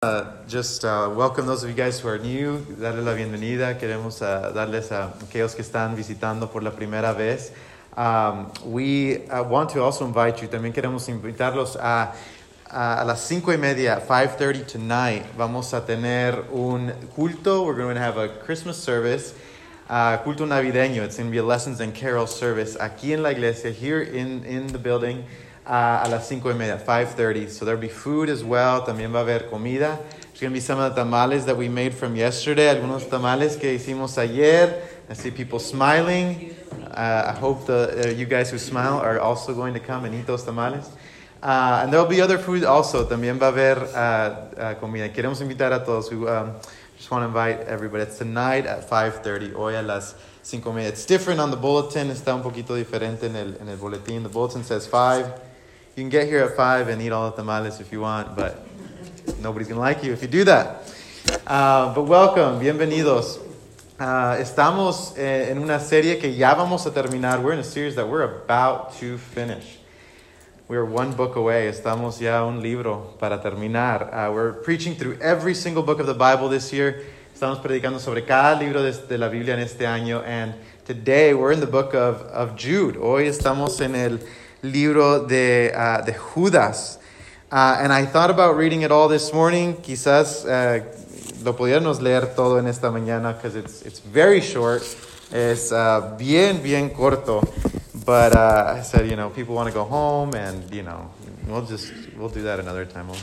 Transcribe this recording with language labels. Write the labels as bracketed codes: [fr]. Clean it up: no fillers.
[en] Welcome those of you guys who are new. [es] Darle la bienvenida. Queremos darles a aquellos que están visitando por la primera vez. [en] We want to also invite you. [es] También queremos invitarlos a las 5:30, 5:30 [en] tonight. [es] Vamos a tener un culto. [en] We're going to have a Christmas service. [es] Culto navideño. [en] It's going to be a lessons and carol service [es] aquí en la iglesia, [en] here in the building. [es] A las 5:30, 5:30. [en] So there'll be food as well. [es] También va a haber comida. [en] There's going to be some of the tamales that we made from yesterday. [es] Algunos tamales que hicimos ayer. [en] I see people smiling. I hope you guys who smile are also going to come and eat those tamales. And there'll be other food also. [es] También va a haber comida. Queremos invitar a todos. [en] Just want to invite everybody. It's tonight at 5:30. [es] Hoy a las 5:30. [en] It's different on the bulletin. [es] Está un poquito diferente en el boletín. [en] The bulletin says 5. You can get here at 5 and eat all the tamales if you want, but nobody's going to like you if you do that. But welcome, bienvenidos. [es] Estamos en una serie que ya vamos a terminar. [en] We're in a series that we're about to finish. We're one book away. [es] Estamos ya un libro para terminar. [en] We're preaching through every single book of the Bible this year. [es] Estamos predicando sobre cada libro de la Biblia en este año. [en] And today we're in the book of Jude. [es] Hoy estamos en el libro de Judas. [en] And I thought about reading it all this morning. [es] Quizás lo pudiéramos leer todo en esta mañana [en] because it's very short. [es] Es bien, bien corto. [en] But I said, you know, people want to go home and, you know, we'll do that another time.